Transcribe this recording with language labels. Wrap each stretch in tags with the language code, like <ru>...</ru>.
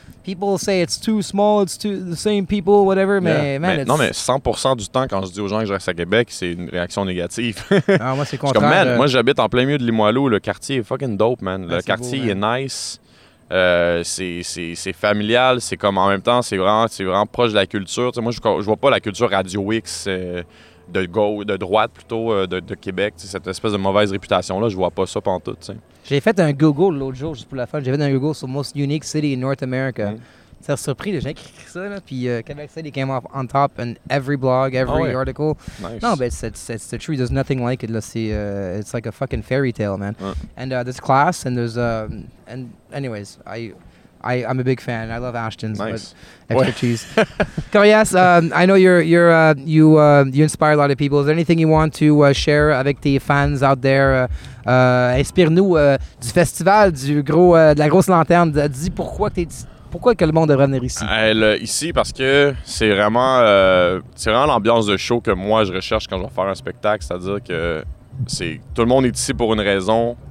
<en>People say it's too small, it's too the same people, whatever, yeah.</en> <fr>Non, mais 100% du temps, quand je dis aux gens que je reste à Québec, c'est une réaction négative. Non, moi, c'est contraire. Comme, man, moi, j'habite en plein milieu de Limoilou. Le quartier est fucking dope, man. Le quartier est nice. C'est familial, c'est comme en même temps, c'est vraiment proche de la culture. T'sais, moi, je vois pas la culture Radio X de droite plutôt, de Québec. Cette espèce de mauvaise réputation-là, je vois pas ça pantoute. J'ai fait un Google l'autre jour, juste pour la fun. J'ai fait un Google sur «</fr> <en>Most unique city in North America ».</en> <fr>C'est surpris, j'ai écrit ça, là, puis</fr> <en>« Québec City came off on top in every blog, every article nice. ».</en> <fr>Non, mais c'est</fr> <en>the truth. There's nothing like it. Là, it's like a fucking fairy tale, man.</en> <fr>Ouais.</fr> <en>And there's class, and there's... and anyways, I'm a big fan. I love Ashton's nice. But extra cheese. Carias, I know you inspire a lot of people. Is there anything you want to share</en> <fr>avec tes fans</fr> <en>out there?</en> <fr>Inspire-nous du festival du gros de la grosse lanterne. Dis pourquoi que le monde devrait venir ici. Ici parce que c'est vraiment l'ambiance de show que moi je recherche quand je vais faire un spectacle, c'est-à-dire que c'est tout le monde est ici pour une raison.</fr>